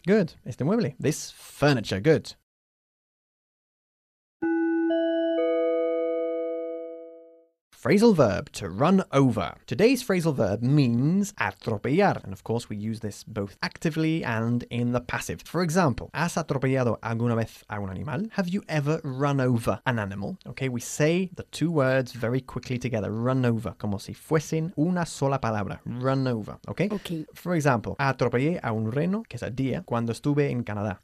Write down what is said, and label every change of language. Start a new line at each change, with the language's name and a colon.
English: Good.
Spanish: Este mueble.
English: This furniture, good. Phrasal verb, to run over. Today's phrasal verb means atropellar. And of course, we use this both actively and in the passive. For example,
Spanish: ¿has atropellado alguna vez a un animal?
English: Have you ever run over an animal? Okay, we say the two words very quickly together.
Spanish: Run over, como si fuesen una sola palabra.
English: Run over, okay? Okay. For example,
Spanish: atropellé a un reno, que es a deer, cuando estuve en Canadá.